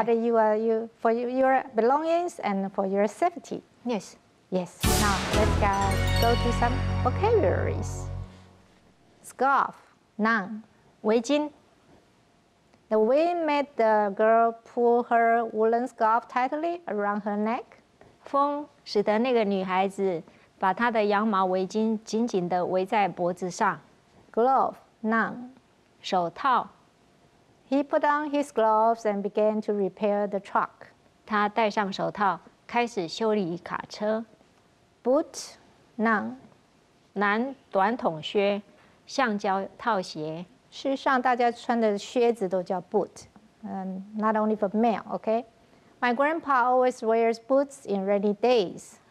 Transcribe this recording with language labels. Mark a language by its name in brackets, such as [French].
[English] Of what you are, you, for your belongings and for your safety. Yes. Yes. Now let's go to some vocabularies. Scarf, noun. [Chinese] 围巾。 [English] The wind made the girl pull her woolen scarf tightly around her neck. [Chinese] 风使得那个女孩子把她的羊毛围巾紧紧地围在脖子上。 [English] Glove, noun. [Chinese] 手套。 [English] He put on his gloves and began to repair the truck. [Chinese] 他戴上手套，开始修理卡车。 [English] Boot, noun. [Chinese] 男短筒靴，橡胶套鞋。事实上，大家穿的靴子都叫 boot, [English] not only for men, okay? My grandpa always wears boots in rainy days.